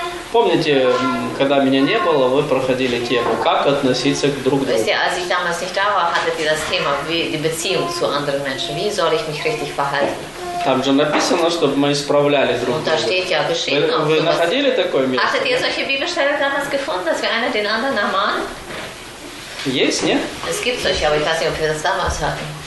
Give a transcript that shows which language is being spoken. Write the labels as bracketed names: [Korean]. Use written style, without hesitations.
[Russian] Помните, когда меня не было, вы проходили тему, как относиться друг к другу? [German] Wisst ihr, als ich damals nicht da war, hattet ihr das Thema, die Beziehung zu anderen Menschen. Wie soll ich mich richtig verhalten? [Russian] Там же написано, чтобы мы исправляли друг друга. [German] Steht, ja, [Russian] вы находили такое место? [German] Hattet ihr solche Bibelstelle damals gefunden, dass wir einer den anderen ermahnen? [Russian] Есть, нет? [German] Es gibt solche, aber ich weiß nicht, ob wir das damals hatten.